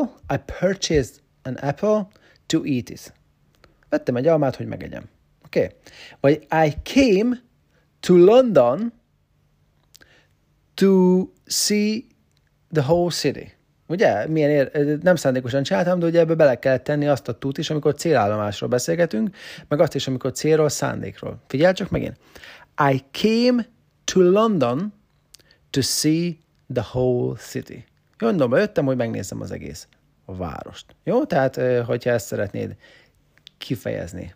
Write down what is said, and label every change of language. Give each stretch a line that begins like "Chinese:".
English: I purchased an apple to eat it.
Hungarian: Vettem egy almát, hogy megegyem. Oké.
English: Vagy I came to London to see the whole city.
Hungarian: Ugye, nem szándékosan csináltam, de ugye ebbe bele kellett tenni azt a tut is, amikor célállomásról beszélgetünk, meg azt is, amikor célról, szándékról. Figyelj csak meg én.
English: I came to London to see the whole city.
Hungarian: Jó, mondom, jöttem, hogy megnézzem az egész a várost. Jó, tehát, hogyha ezt szeretnéd kifejezni.